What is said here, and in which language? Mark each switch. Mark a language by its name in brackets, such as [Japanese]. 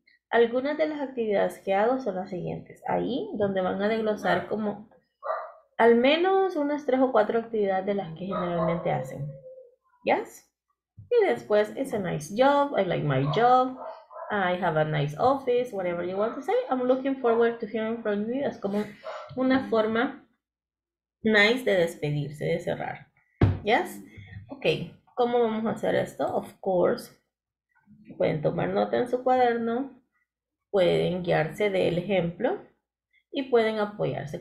[Spanish] Algunas de las actividades que hago son las siguientes. Ahí, donde van a desglosar como al menos unas 3 o 4 actividades de las que generalmente hacen. [English] ¿Yes? [Spanish] Y después, [English] it's a nice job, I like my job, I have a nice office, whatever you want to say. I'm looking forward to hearing from you. [Spanish] Es como una forma nice de despedirse, de cerrar. ¿Yes? Ok, ¿cómo vamos a hacer esto? Of course, pueden tomar nota en su cuaderno. Pueden guiarse del ejemplo y pueden apoyarse.